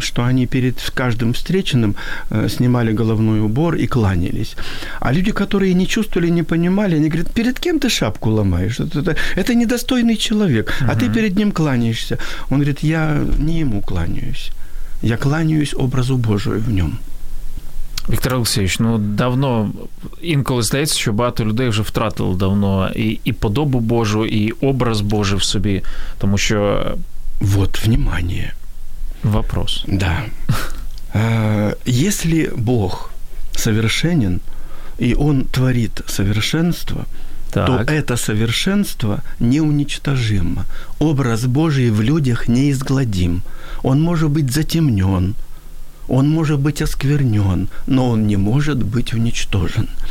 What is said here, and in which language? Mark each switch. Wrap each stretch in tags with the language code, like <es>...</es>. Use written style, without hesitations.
<ru>Что они перед каждым встреченным снимали головной убор и кланялись. А люди, которые не чувствовали, не понимали, они говорят, перед кем ты шапку ломаешь? Это недостойный человек, а ты перед ним кланяешься. Он говорит, я не ему кланяюсь, я кланяюсь образу Божию в нем.</ru> <uk>Віктор Олексійович, ну давно інколи здається, що багато людей вже втратили давно і подобу Божу, і образ Божий в собі, тому що...</uk> <ru>Вот, внимание. Вопрос. Да. Если Бог совершенен, и он творит совершенство, так, то это совершенство неуничтожимо. Образ Божий в людях неизгладим. Он может быть затемнен, он может быть осквернен, но он не может быть уничтожен.</ru>